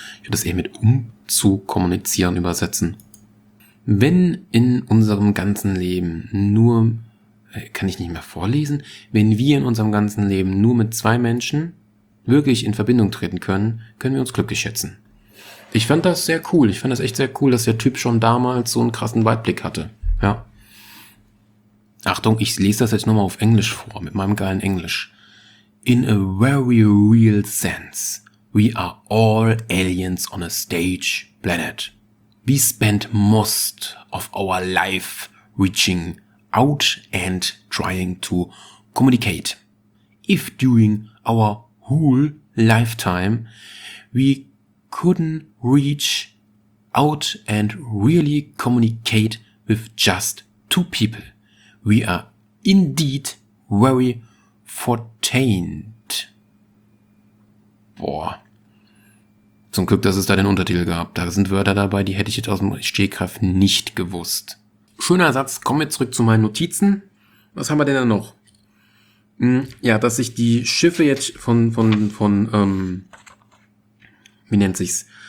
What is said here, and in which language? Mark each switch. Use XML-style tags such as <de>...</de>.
<de>Ich würde das eher mit zu kommunizieren übersetzen. Wenn in unserem ganzen Leben nur, kann ich nicht mehr vorlesen, wenn wir in unserem ganzen Leben nur mit zwei Menschen wirklich in Verbindung treten können, können wir uns glücklich schätzen. Ich fand das sehr cool. Ich fand das echt sehr cool, dass der Typ schon damals so einen krassen Weitblick hatte. Ja. Achtung, ich lese das jetzt nochmal auf Englisch vor, mit meinem geilen Englisch.</de> <en>In a very real sense, we are all aliens on a stage planet. We spend most of our life reaching out and trying to communicate. If during our whole lifetime we couldn't reach out and really communicate with just two people, we are indeed very fortained. Boah.</en> <de>Zum Glück, dass es da den Untertitel gab. Da sind Wörter dabei, die hätte ich jetzt aus dem Stehkraft nicht gewusst. Schöner Satz. Kommen wir zurück zu meinen Notizen. Was haben wir denn da noch? Ja, dass sich die Schiffe jetzt wie nennt sich's?</de>